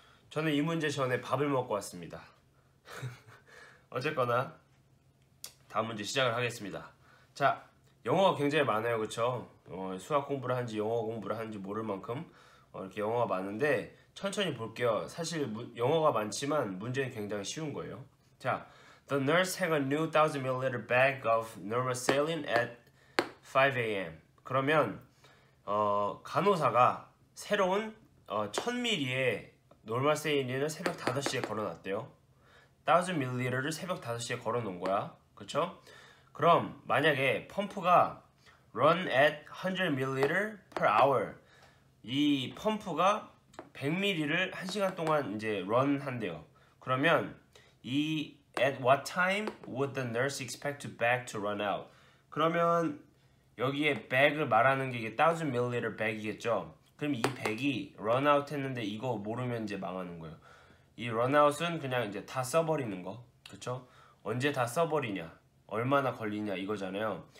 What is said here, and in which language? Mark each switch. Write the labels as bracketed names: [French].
[Korean] 저는 이 문제 전에 밥을 먹고 왔습니다. 어쨌거나 다음 문제 시작을 하겠습니다. 자, 영어가 굉장히 많아요, 그렇죠? 수학 공부를 하는지 영어 공부를 하는지 모를 만큼 이렇게 영어가 많은데 천천히 볼게요. 사실 영어가 많지만 문제는 굉장히 쉬운 거예요. [English] 자, The nurse had a new 1,000 ml bag of normoseline at 5 a.m. [Korean] 그러면 간호사가 새로운 1,000 ml의 normoseline을 새벽 5시에 걸어놨대요. 1,000 ml를 새벽 5시에 걸어놓은 거야. 그쵸? 그럼 만약에 펌프가 [English] run at 100 ml per hour, [Korean] 이 펌프가 100ml를 1시간 동안 이제 run 한대요. [English] 그러면 이 at what time would the nurse expect to bag to run out? [Korean] 그러면 여기에 bag을 말하는 게 이게 1000ml bag이겠죠? 그럼 이 bag이 run out 했는데 이거 모르면 이제 망하는 거예요. 이 run out은 그냥 이제 다 써버리는 거. 그쵸? 언제 다 써버리냐? 얼마나 걸리냐? 이거잖아요.